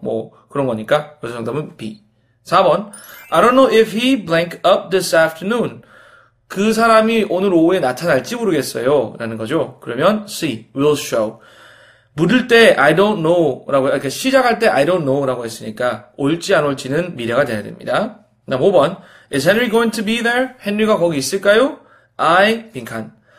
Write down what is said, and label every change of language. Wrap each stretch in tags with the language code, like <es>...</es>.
<ko>뭐 그런 거니까 그래서 정답은 B.</ko> <en>4번 I don't know if he blank up this afternoon.</en> <ko>그 사람이 오늘 오후에 나타날지 모르겠어요 라는 거죠. 그러면</ko> <en>C. will show.</en> <ko>물을 때</ko> <en>I don't know</en> <ko>라고 이렇게 시작할 때 I don't know 라고 했으니까 올지 안 올지는 미래가 돼야 됩니다. 다음 5번</ko> <en>Is Henry going to be there?</en> <ko>헨리가 거기 있을까요?</ko> <en>I 빈칸.</en>